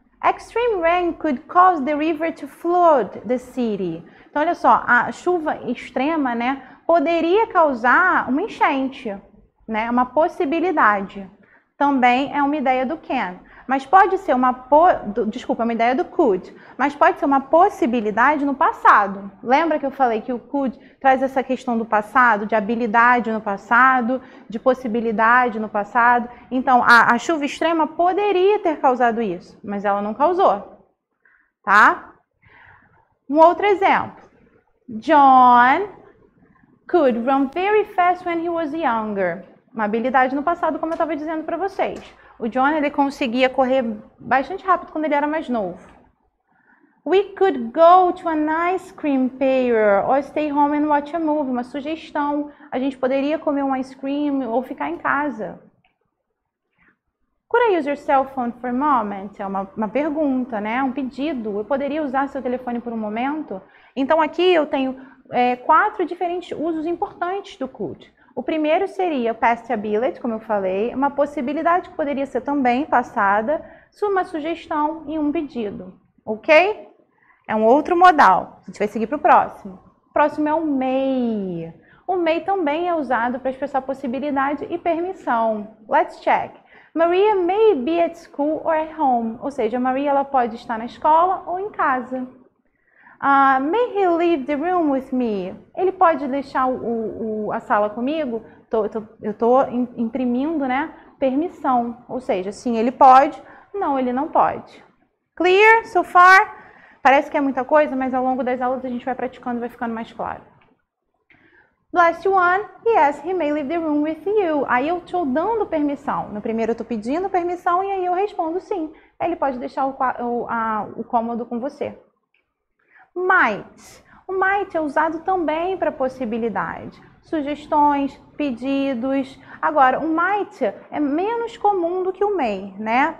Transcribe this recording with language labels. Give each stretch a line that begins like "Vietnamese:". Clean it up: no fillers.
English: Extreme rain could cause the river to flood the city.
Portuguese: Então, olha só, a chuva extrema, né, poderia causar uma enchente, né, uma possibilidade. Também é uma ideia do can, mas pode ser desculpa, é uma ideia do could, mas pode ser uma possibilidade no passado. Lembra que eu falei que o could traz essa questão do passado, de habilidade no passado, de possibilidade no passado? Então, a chuva extrema poderia ter causado isso, mas ela não causou, tá? Um outro exemplo.
English: John could run very fast when he was younger.
Portuguese: Uma habilidade no passado, como eu estava dizendo para vocês. O John, ele conseguia correr bastante rápido quando ele era mais novo.
English: We could go to an ice cream parlor or stay home and watch a movie.
Portuguese: Uma sugestão. A gente poderia comer um ice cream ou ficar em casa.
English: Could I use your cell phone for a moment?
Portuguese: É uma pergunta, né? Um pedido. Eu poderia usar seu telefone por um momento? Então, aqui eu tenho quatro diferentes usos importantes do could. O primeiro seria past ability, como eu falei, uma possibilidade que poderia ser também passada, uma sugestão e um pedido. Ok? É um outro modal. A gente vai seguir para o próximo. O próximo é o may. O may também é usado para expressar possibilidade e permissão.
English: Let's check. Maria may be at school or at home.
Portuguese: Ou seja, a Maria ela pode estar na escola ou em casa.
English: May he leave the room with me?
Portuguese: Ele pode deixar a sala comigo? Eu estou imprimindo, né, permissão. Ou seja, sim, ele pode. Não, ele não pode.
English: Clear so far?
Portuguese: Parece que é muita coisa, mas ao longo das aulas a gente vai praticando e vai ficando mais claro.
English: Last one, yes, he may leave the room with you.
Portuguese: Aí eu estou dando permissão. No primeiro eu estou pedindo permissão e aí eu respondo sim. Ele pode deixar o cômodo com você. Might. O might é usado também para possibilidade, sugestões, pedidos. Agora, o might é menos comum do que o may, né?